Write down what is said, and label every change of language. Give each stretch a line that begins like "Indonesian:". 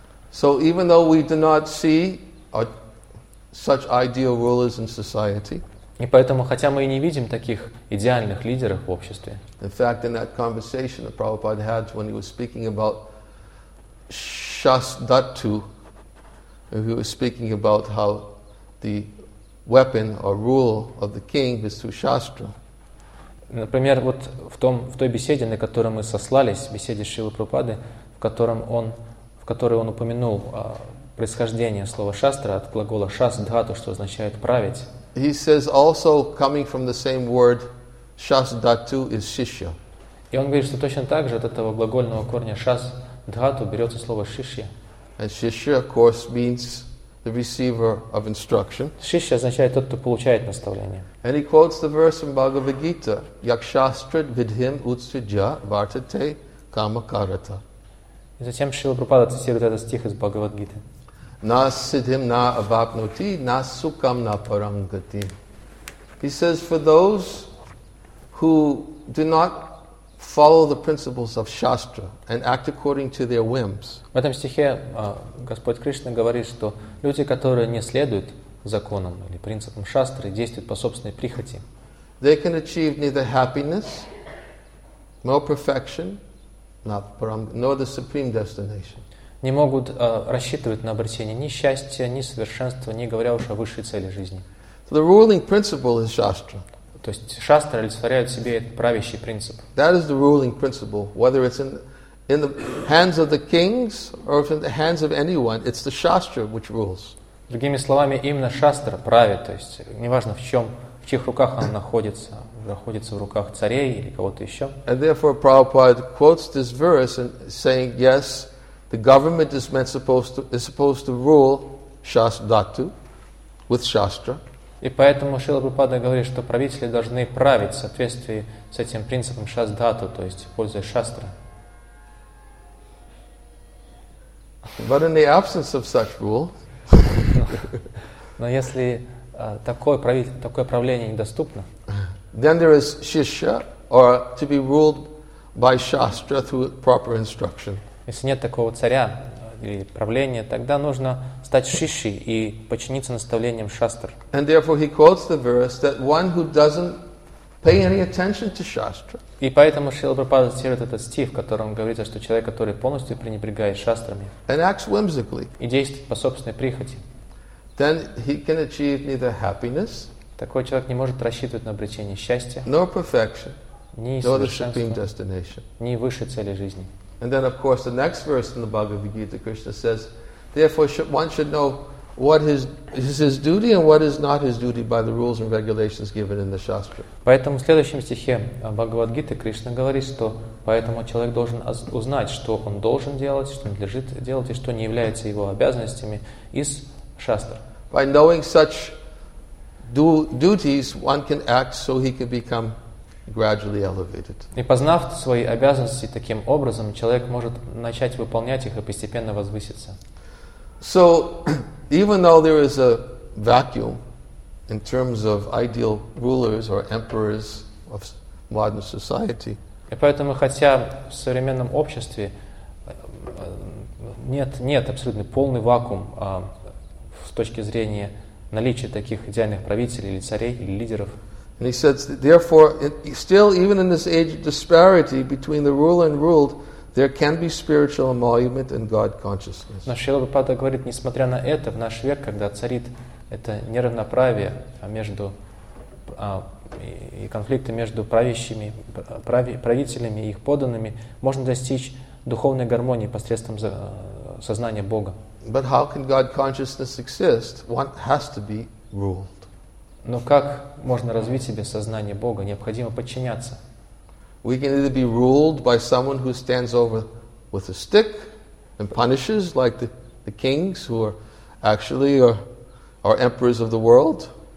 English: So even though we do not see such ideal rulers in society,
Russian: и поэтому, хотя мы и не видим таких идеальных лидеров в обществе,
English: in fact, in that conversation that Prabhupada had when he was speaking about Shastdhatu, he was speaking about how the weapon or rule of the king is through Shastra.
Russian: Например, вот в той беседе, на которую мы сослались, беседе Шрилы Прабхупады, в которой он упомянул происхождение слова шастра от глагола шас-дхату, что означает править.
English: He says also coming from the same word шас-дхату is шишья.
Russian: И он говорит, что точно так же от этого глагольного корня шас-дхату берется слово шишья.
English: And шишья, of course, means the receiver of instruction.
Russian: Шишья означает тот, кто получает наставление.
English: And he quotes the verse in Bhagavad Gita:
Sanskrit: Yakshastrit vidhim utsrija vartate kama karata.
Russian: И затем Шрила Прабхупада цитирует этот стих из Бхагавад Гиты.
Sanskrit: Нас сидим на авапнути, нас сукам на парангати.
English: He says, for those who do not follow the principles of shastra and act according to their whims.
Russian: В этом стихе Господь Кришна говорит, что люди, которые не следуют законам или принципам шастры, действуют по собственной прихоти.
English: They can achieve neither happiness, nor perfection, nor the supreme destination.
Russian: Не могут рассчитывать на обретение ни счастья, ни совершенства, не говоря уж о высшей цели жизни.
English: So the ruling principle is shastra.
Russian: То есть шастра олицетворяет в себе этот правящий принцип.
English: That is the ruling principle. Whether it's in the hands of the kings or if in the hands of anyone, it's the shastra which rules.
Russian: Другими словами, именно шастра правит. То есть неважно в чьих руках она находится, находится в руках царей или кого-то еще.
English: And therefore, Prabhupada quotes this verse and saying, yes, the government is meant supposed to is supposed to rule shastra-dhatu with shastra.
Russian: И поэтому Шрила Прабхупада говорит, что правители должны править в соответствии с этим принципом шас-дхату, то есть пользуясь шастра.
English: But in the absence of such rule,
Russian: но если такое правление недоступно,
English: then there is shishya, or to be ruled by shastra through proper instruction.
Russian: Если нет такого царя или правление, тогда нужно стать шишьей и подчиниться наставлениям шастр.
English: And therefore he quotes the verse that one who doesn't pay any attention to shastra.
Russian: И поэтому Шрила Прабхупада цитирует этот стих, в котором говорится, что человек, который полностью пренебрегает шастрами
English: and acts whimsically,
Russian: и действует по собственной прихоти,
English: then he can achieve neither happiness,
Russian: такой человек не может рассчитывать на обретение счастья,
English: nor perfection,
Russian: ни совершенства,
English: nor the supreme destination,
Russian: ни высшей цели жизни.
English: And then, of course, the next verse in the Bhagavad Gita, Krishna says, therefore, one should know what is his duty and what is not his duty by the rules and regulations given in the shastra.
Russian: Поэтому в следующем стихе Бхагавад Гиты Кришна говорит, что поэтому человек должен узнать, что он должен делать, что надлежит делать и что не является его обязанностями из шастр.
English: By knowing such duties, one can act so he can become gradually elevated.
Russian: И познав свои обязанности таким образом, человек может начать выполнять их и постепенно возвыситься.
English: So, even though there is a vacuum in terms of ideal rulers or emperors of modern society,
Russian: и поэтому, хотя в современном обществе нет абсолютно полный вакуум с точки зрения наличия таких идеальных правителей или царей или лидеров.
English: And he says, therefore, still, even in this age of disparity between the ruler and ruled, there can be spiritual emolument and God consciousness.
Russian: Но Шрила Прабхупада говорит, несмотря на это, в наш век, когда царит это неравноправие между и конфликты между правящими правителями и их подданными, можно достичь духовной гармонии посредством сознания Бога.
English: But how can God consciousness exist? One has to be ruled.
Russian: Но как можно развить себе сознание Бога? Необходимо подчиняться.
English: We can either be ruled by someone who stands over with a stick and punishes, like the kings who are actually are emperors of the world.